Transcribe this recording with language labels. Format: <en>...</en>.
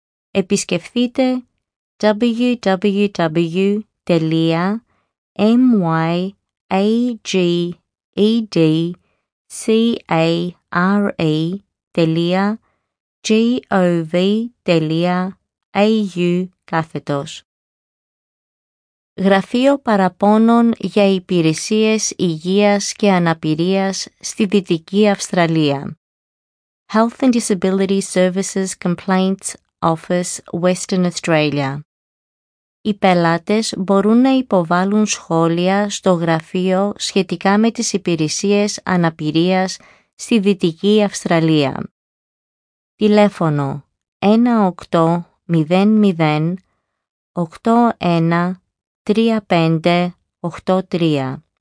<el>Επισκεφτείτε www.myagedcare.gov.au/. Γραφείο Παραπώνων για Υπηρεσίες Υγείας και Αναπηρίας στη Δυτική Αυστραλία.</el> <en>Health and Disability Services Complaints Office, Western Australia.</en> <el>Οι πελάτες μπορούν να υποβάλουν σχόλια στο γραφείο σχετικά με τις υπηρεσίες αναπηρίας στη Δυτική Αυστραλία. Τηλέφωνο 1800-81-3583.</el>